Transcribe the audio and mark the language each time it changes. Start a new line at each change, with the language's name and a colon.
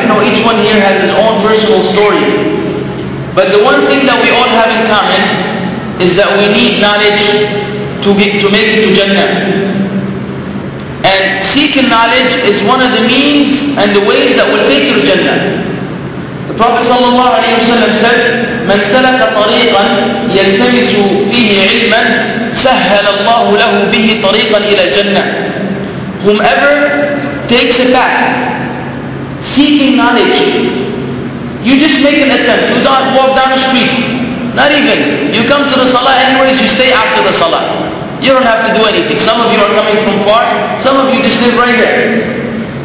English: You know, each one here has his own personal story. But the one thing that we all have in common is that we need knowledge to make it to Jannah. And seeking knowledge is one of the means and the ways that will take you to Jannah. Prophet sallallahu alayhi wa sallam said,
Arabic: مَنْ سَلَكَ طَرِيقًا يَلْتَمِسُ فِيهِ عِلْمًا سَهَّلَ اللَّهُ لَهُ بِهِ طَرِيقًا إِلَى الْجَنَّةِ.
English: Whomever takes a path seeking knowledge, you just make an attempt. You don't walk down the street. Not even. You come to the salah anyways, you stay after the salah. You don't have to do anything. Some of you are coming from far. Some of you just live right there.